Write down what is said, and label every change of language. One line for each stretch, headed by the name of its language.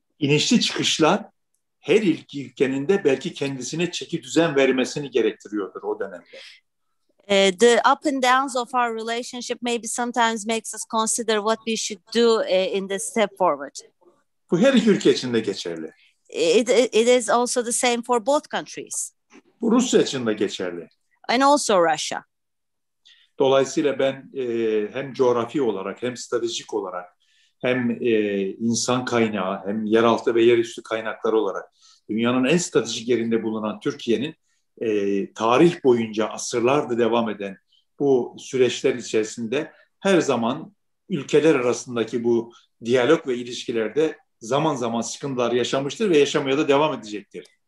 Turkish: İnişli çıkışlar her ülkenin de belki kendisine çeki düzen vermesini gerektiriyordur o dönemde.
English: The up and downs of our relationship maybe sometimes makes us consider what we should do in the step forward.
Turkish: Bu her iki ülke için de geçerli.
English: It is also the same for both countries.
Turkish: Bu Rusya için de geçerli.
English: And also Russia.
Turkish: Dolayısıyla ben hem coğrafi olarak hem stratejik olarak hem insan kaynağı hem yeraltı ve yerüstü kaynakları olarak dünyanın en stratejik yerinde bulunan Türkiye'nin tarih boyunca asırlardır devam eden bu süreçler içerisinde her zaman ülkeler arasındaki bu diyalog ve ilişkilerde zaman zaman sıkıntılar yaşamıştır ve yaşamaya da devam edecektir.